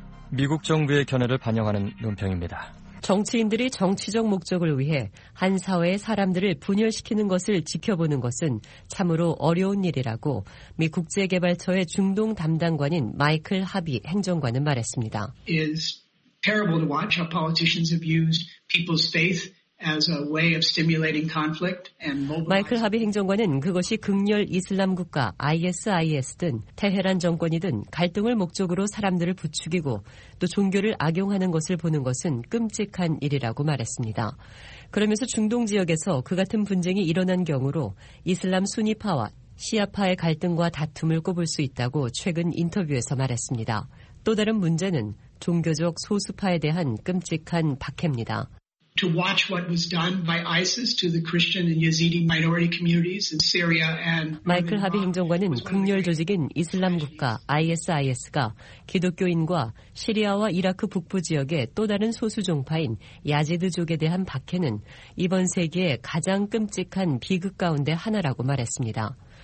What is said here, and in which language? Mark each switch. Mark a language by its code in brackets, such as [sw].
[ko] 미국 정부의 견해를 반영하는 논평입니다. 정치인들이 정치적 목적을 위해 한 사회의 사람들을 분열시키는 것을 지켜보는 것은 참으로 어려운 일이라고 미 국제개발처의 중동 담당관인 마이클 하비 행정관은 말했습니다. [en] It's terrible to watch how politicians have used people's faith as a way of stimulating conflict and mobilizing. [ko] 마이클 하비 행정관은 그것이 극렬 이슬람 국가 ISIS 등 테헤란 정권이든 갈등을 목적으로 사람들을 부추기고 또 종교를 악용하는 것을 보는 것은 끔찍한 일이라고 말했습니다. 그러면서 중동 지역에서 그 같은 분쟁이 일어난 경우로 이슬람 순위파와 시아파의 갈등과 다툼을 꼽을 수 있다고 최근 인터뷰에서 말했습니다. 또 다른 문제는 종교적 소수파에 대한 끔찍한 박해입니다. [en] To watch what was done by ISIS to the Christian and Yazidi minority communities in Syria and [ko] 마이클 하비 행정관은 극렬 조직인 이슬람 국가 ISIS가 기독교인과 시리아와 이라크 북부 지역의 또 다른 소수 종파인 야지드족에 대한 박해는 이번 세기에 가장 끔찍한 비극 가운데 하나라고 말했습니다.